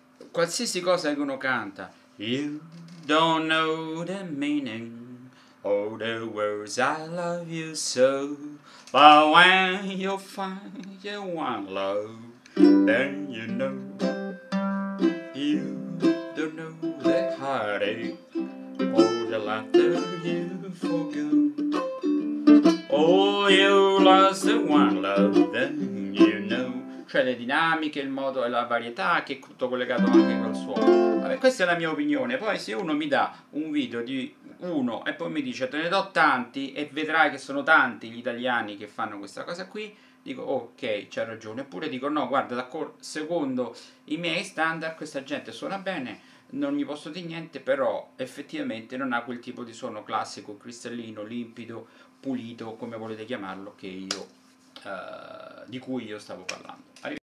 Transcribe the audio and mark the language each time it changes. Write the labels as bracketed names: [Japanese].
[Italian] qualsiasi cosa che uno canta. [English] You don't know the meaning of the words I love you so, but when you find you want love, then you know. You don't know the heartache or the laughter you forgo. Oh, you lost the one love, then you know. [Italian] Cioè le dinamiche, il modo e la varietà, che è tutto collegato anche col suono. Vabbè, questa è la mia opinione. Poi se uno mi dà un video di uno e poi mi dice te ne do tanti e vedrai che sono tanti gli italiani che fanno questa cosa qui, dico ok, c'ha ragione. Oppure dico no, guarda, secondo i miei standard questa gente suona bene, non gli posso dire niente, però effettivamente non ha quel tipo di suono classico, cristallino, limpido, pulito, come volete chiamarlo, che io... di cui io stavo parlando. Arrivederci.